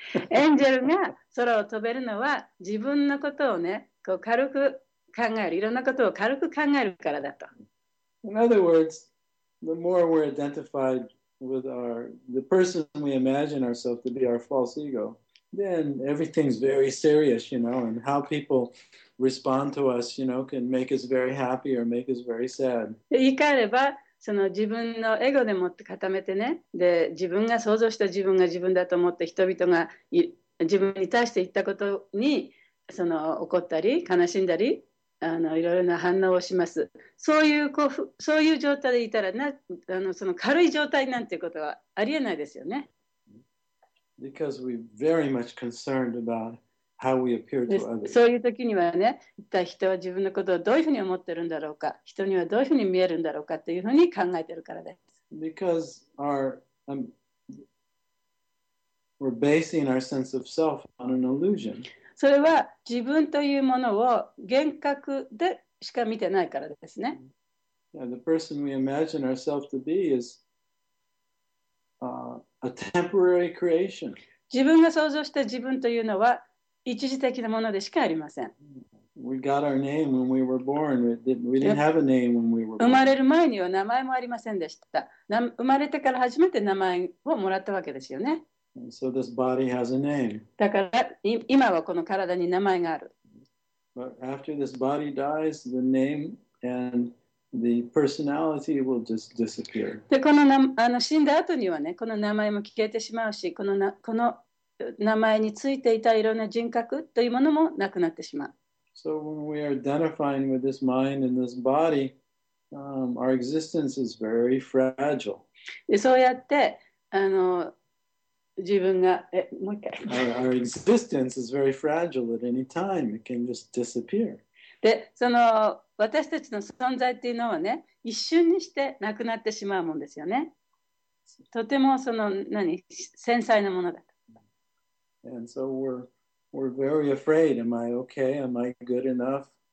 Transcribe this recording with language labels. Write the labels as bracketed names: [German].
[Japanese] エンジェルが空を飛べるのは自分のことをね、こう軽く考える、いろんなことを軽く考えるからだと。 [English] In other words, the more we're identified with the person we imagine ourselves to be, our false ego, then everything's very serious, you know, and how people respond to us, you know, can make us very happy or make us very sad. [Japanese] 言い換えれば、その自分のエゴでもって固めてね、で、自分が想像した自分が自分だと思って、人々が自分に対して言ったことにその怒ったり悲しんだり、いろいろな反応をします。そういう状態でいたらな、その軽い状態なんていうことはありえないですよね。 [English] Because we're very much concerned about how we appear to others. [Japanese] そういう時にはね、一体人は自分のことをどういうふうに思ってるんだろうか、人にはどういうふうに見えるんだろうかというふうに考えてるからです。 [English] Because we're basing our sense of self on an illusion. [Japanese] それは自分というものを幻覚でしか見てないからですね。 [English] Yeah, the person we imagine ourselves to be is a temporary creation. [Japanese] 自分が想像した自分というのは一時的なものでしかありません。 [English] We got our name when we were born. We didn't have a name when we were born. [Japanese] 生まれる前には名前もありませんでした。生まれてから初めて名前をもらったわけですよね。 [English] So this body has a name. [Japanese] だから今はこの体に名前がある。 [English] But after this body dies, the name and the personality will just disappear. [Japanese] で、この死んだ後にはね、この名前も消えてしまうし、この名前についていたいろんな人格というものもなくなってしまう。 [English] So when we are identifying with this mind and this body, our existence is very fragile. [Japanese] で、そうやって自分がもう一回。 [English] Our existence is very fragile at any time. It can just disappear. [Japanese] で、その私たちの存在っていうのはね、一瞬にしてなくなってしまうもんですよね。とてもその繊細なものだ。 [English] And so we're very afraid. Am I okay? Am I good enough?